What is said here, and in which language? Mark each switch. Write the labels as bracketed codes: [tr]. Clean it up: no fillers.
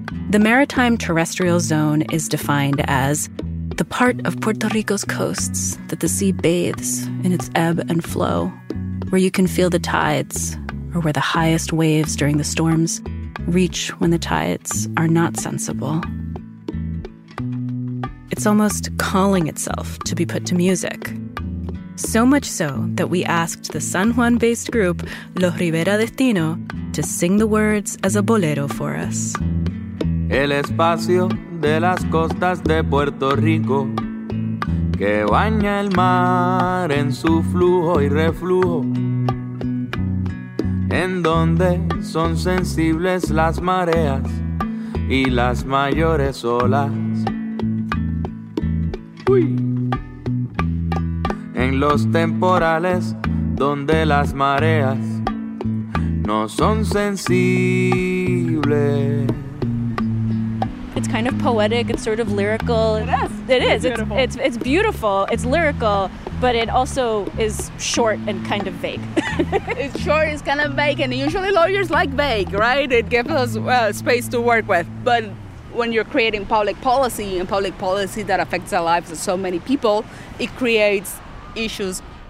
[en] The maritime terrestrial zone is defined as the part of Puerto Rico's coasts that the sea bathes in its ebb and flow, where you can feel the tides, or where the highest waves during the storms reach when the tides are not sensible. It's almost calling itself to be put to music. So much so that we asked the San Juan-based group Los Rivera Destino to sing the words as a bolero for us. [es] El espacio de las costas de Puerto Rico, que baña el mar en su flujo y reflujo, en donde son sensibles las mareas y las mayores olas. Uy. En los temporales donde las mareas no son sensibles. [en] It's kind of poetic, it's sort of lyrical. It is. It's beautiful, it's lyrical, but it also is short and kind of vague. It's short, it's kind of vague, and usually lawyers like vague, right? It gives us space to work with. But when you're creating public policy that affects the lives of so many people, it creates issues.